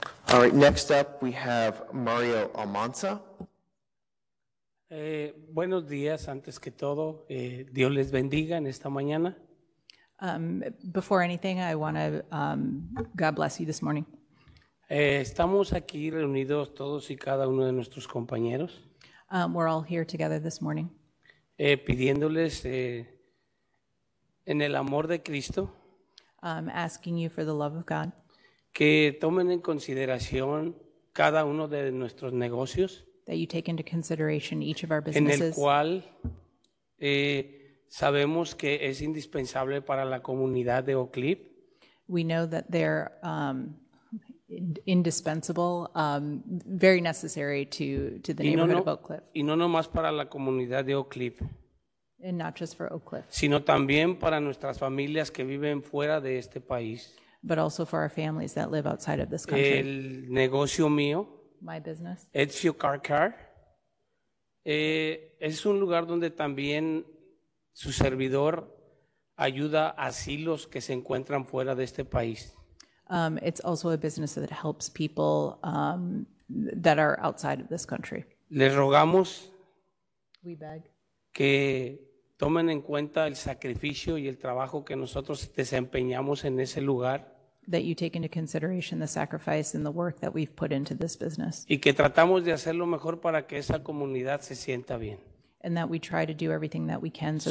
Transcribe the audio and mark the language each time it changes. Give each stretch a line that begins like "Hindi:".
English: All right, next up, we have Mario Almanza.
Spanish: Buenos días, antes que todo. Dios les bendiga en esta mañana.
English: Before anything, I want to, God bless you this morning.
Spanish: Estamos aquí reunidos todos y cada uno de nuestros compañeros.
English: We're all here together this morning.
Spanish: Pidiéndoles en el amor de Cristo.
English: Asking you for the love of God.
Spanish: Que tomen en consideración cada uno de nuestros negocios.
English: That you take into consideration each of our businesses.
Spanish: En el cual sabemos que es indispensable para la comunidad de Oak Cliff.
English: We know that they're indispensable, very necessary to the neighborhood of Oak Cliff.
Spanish: Y no nomás para la comunidad de Oak Cliff.
English: And not just for Oak Cliff.
Spanish: Sino también para nuestras familias que viven fuera de este país.
English: But also for our families that live outside of this country.
Spanish: El negocio mío.
English: My business.
Spanish: Ezio Car Car. Es un lugar donde también su servidor ayuda a asilos que se encuentran fuera de este país.
English: It's also a business that helps people that are outside of this country.
Spanish: Les rogamos.
English: We beg.
Spanish: Que tomen en cuenta el sacrificio y el trabajo que nosotros desempeñamos en ese lugar.
English: That you take into consideration the sacrifice and the work that we've put into this business.
Spanish: Y que tratamos de hacer lo mejor para que esa comunidad se sienta bien.
English: And that we try to do everything that we can so